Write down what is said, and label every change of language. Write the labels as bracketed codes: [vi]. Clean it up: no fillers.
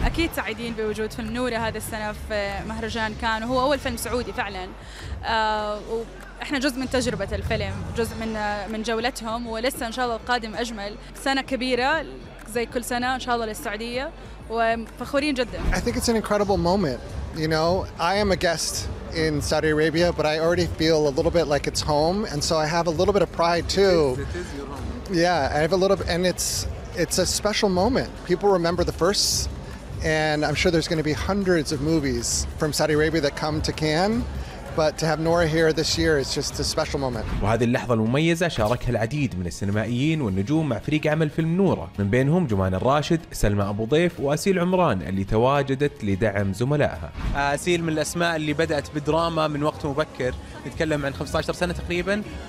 [ar] أكيد سعيدين بوجود فيلم نورة هذا السنة في مهرجان كان، وهو أول فيلم سعودي فعلا، احنا جزء من تجربة الفيلم، جزء من جولتهم، ولسه ان شاء الله القادم اجمل. سنة كبيرة زي كل سنة ان شاء الله للسعودية، وفخورين جدا. [en] I think it's an incredible moment. You know, I am a guest in Saudi Arabia, but I already feel a little bit like it's home, and so I have a little bit of pride too. It is your home. Yeah, I have a little bit, and it's a special moment. People remember the first, and I'm sure there's going to be hundreds of movies from Saudi Arabia that come to Cannes. But to have Nora here this year is just a special moment. [ar] وهذه اللحظة المميزة شاركها العديد من السينمائيين والنجوم مع فريق عمل فيلم نورة، من بينهم جمان الراشد، سلمى أبو ضيف، وأسيل عمران اللي تواجدت لدعم زملائها. أسيل من الأسماء اللي بدأت بدراما من وقت مبكر، نتكلم عن 15 سنة تقريبا.